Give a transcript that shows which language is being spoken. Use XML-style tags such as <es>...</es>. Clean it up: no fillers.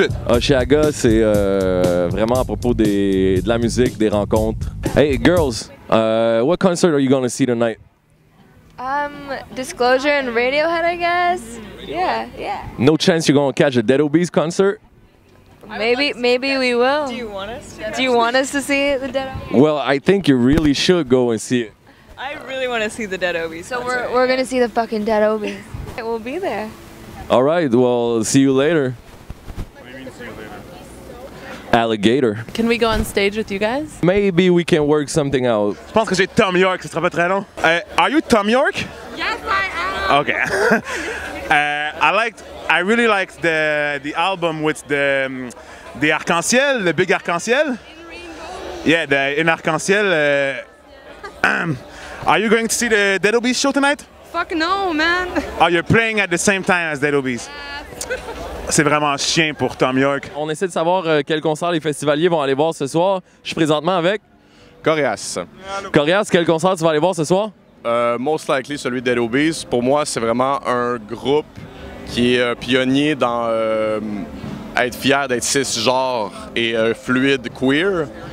<fr>Osheaga, c'est vraiment à propos de la musique, des rencontres.</fr> <en>Hey girls, what concert are you gonna see tonight? Disclosure and Radiohead, I guess. Yeah. No chance you're gonna catch a Dead Obies concert? Maybe we will. Do you want us to see the Dead Obies? Well, I think you really should go and see it. I really want to see the Dead Obies. So we're gonna see the fucking Dead Obies. We'll be there. All right. Well, see you later. What do you mean, see you later? Alligator. Can we go on stage with you guys? Maybe we can work something out.</en> <fr>Je pense que j'ai Tom York. Ça sera pas très long.</fr> <en>Are you Tom York? Yes, I am. Okay. I really liked the album with the arc-en-ciel, the big arc-en-ciel. Yeah, the in arc-en-ciel. Are you going to see the Dead Obies show tonight? Fuck no, man. Oh, you're playing at the same time as Dead Obies.</en> <fr>C'est vraiment chien pour Tom York. On essaie de savoir quel concert les festivaliers vont aller voir ce soir. Je suis présentement avec Corias. Corias, quel concert tu vas aller voir ce soir?</fr> <en>Most likely</en> <fr>celui de Dead Obies. Pour moi, c'est vraiment un groupe qui est pionnier dans être fier d'être cisgenre et fluide queer.</fr>